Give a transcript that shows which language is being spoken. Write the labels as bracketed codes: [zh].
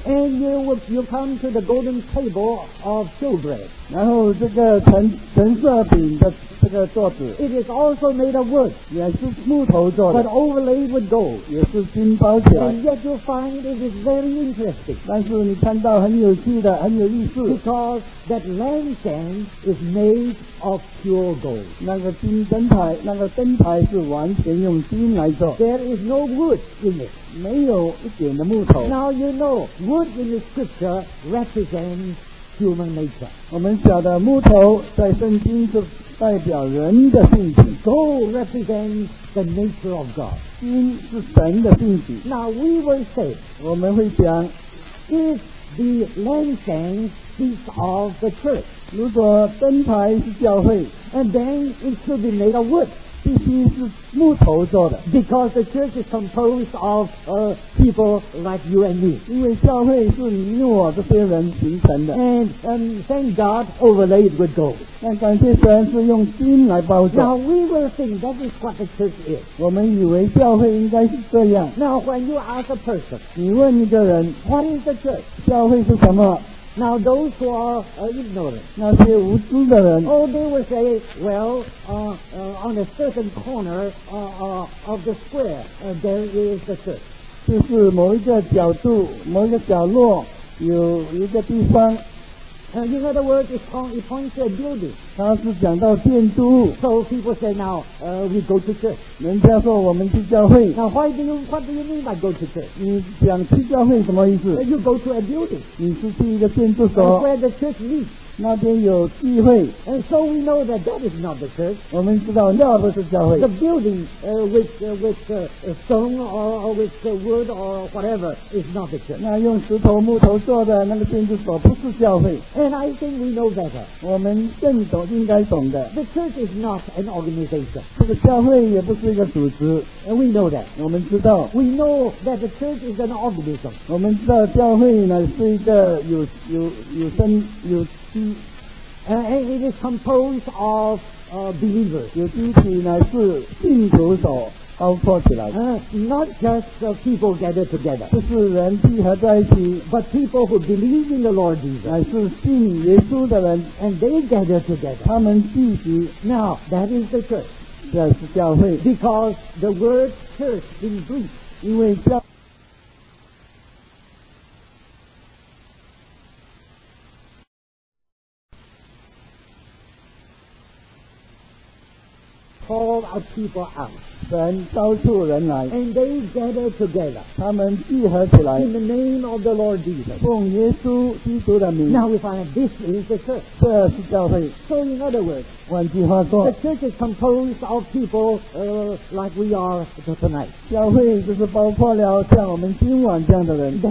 [en] And you come to the golden table of showbread, [zh] 然后这个陈设饼的这个桌子。 [en] It is also made of wood, [zh] 也是木头做的。 [en] But overlaid with gold, [zh] 也是金包起来。 [en] And yet you find it is very interesting, [zh] 但是你看到很有趣的，很有意思。 [en] Because that lampstand is made of pure gold, [zh] 那个金灯台，那个灯台是完全用金来做。 [en] There is no wood in it, [zh] 没有一点的木头。 [en] Now you know, wood in the scripture represents human nature. [zh] 我们晓得木头在圣经是代表人的性情。 [en] Gold represents the nature of God, [zh] 金是神的性情。 [en] Now we will say, [zh] 我们会讲， [en] if the lampstand speaks of the church, [zh] 如果灯台是教会， [en] and then it should be made of wood, [zh] 必须是木头做的。 [en] Because the church is composed of people like you and me, [zh] 因为教会是你我这些人形成的。 [en] And thank God, overlaid with gold, [zh] 但感谢神是用金来包着。 [en] Now we will think that is what the church is, [zh] 我们以为教会应该是这样。 [en] Now when you ask a person, [zh] 你问一个人， [en] what is the church, [zh] 教会是什么？ [en] Now those who are ignorant, [zh] 那些无知的人， [en] oh, they will say, well, on a certain corner of the square, there is the church. [zh] 就是某一个角度，某一个角落有一个地方。 [en] In other words, it points to a building. [zh] 它是讲到建筑物。 [en] So people say now, we go to church. [zh] 人家说我们去教会。 [en] Now what do you mean by go to church? [zh] 你讲去教会什么意思？ [en] You go to a building. [zh] 你是去一个建筑所。 [en] Where the church meets. [zh] 那边有聚会。 [en] And so we know that that is not the church. [zh] 我们知道那不是教会。 [en] The building with stone or with wood or whatever is not the church. [zh] 那用石头木头做的那个建筑所不是教会。 [en] And I think we know better. [zh] 我们更懂，应该懂的。 [en] The church is not an organization. [zh] 这个教会也不是一个组织。 [en] And we know that. [zh] 我们知道。 [en] We know that the church is an organism. [zh] 我们知道教会呢是一个有生有机。 [en] And it is composed of believers. [zh] 有机体呢是信徒所包括起来。 [en] Not just people gathered together, [zh] 不是人聚合在一起， [en] but people who believe in the Lord Jesus, [zh] 乃是信耶稣的人。 [en] And they gather together, [zh] 他们聚集。 [en] Now that is the church, [zh] 这是教会。 [en] Because the word church in Greek, [zh] 因为教 [en] Call our people out. [zh] 神召出人来 [en] And they gather together. [zh] 他们聚合起来 [en] In the name of the Lord Jesus. [zh] 奉耶稣基督的名 [en] Now we find this is the church. [zh] 这是教会 [en] So in other words, [zh] 换句话说 [en] The church is composed of people like we are tonight. [zh] 教会就是包括了像我们今晚这样的人